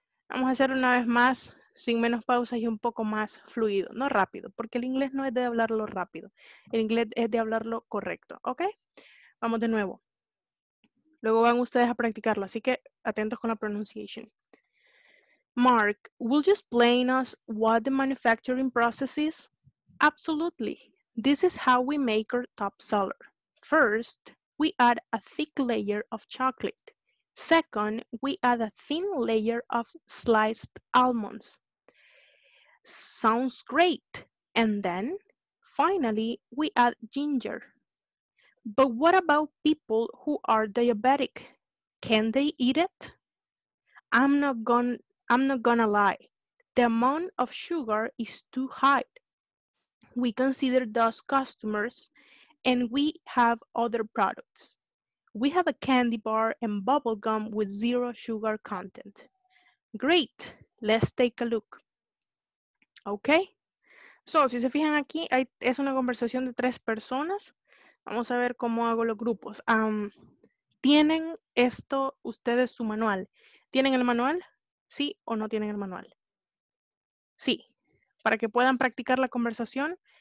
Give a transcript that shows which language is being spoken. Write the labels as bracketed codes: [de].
[es] Vamos a hacer una vez más, sin menos pausas y un poco más fluido. No rápido, porque el inglés no es de hablarlo rápido. El inglés es de hablarlo correcto. Ok. Vamos de nuevo. Luego van ustedes a practicarlo, así que atentos con la pronunciation. [en] Mark, will you explain us what the manufacturing process is? Absolutely. This is how we make our top seller. First, we add a thick layer of chocolate. Second, we add a thin layer of sliced almonds. Sounds great. And then, finally, we add ginger. But what about people who are diabetic? Can they eat it? I'm not gonna lie. The amount of sugar is too high. We consider those customers and we have other products. We have a candy bar and bubble gum with zero sugar content. Great, let's take a look. [es] Okay, so si se fijan aquí, es una conversación de tres personas. Vamos a ver cómo hago los grupos. ¿Tienen esto ustedes su manual? ¿Tienen el manual? ¿Sí o no tienen el manual? Sí, para que puedan practicar la conversación.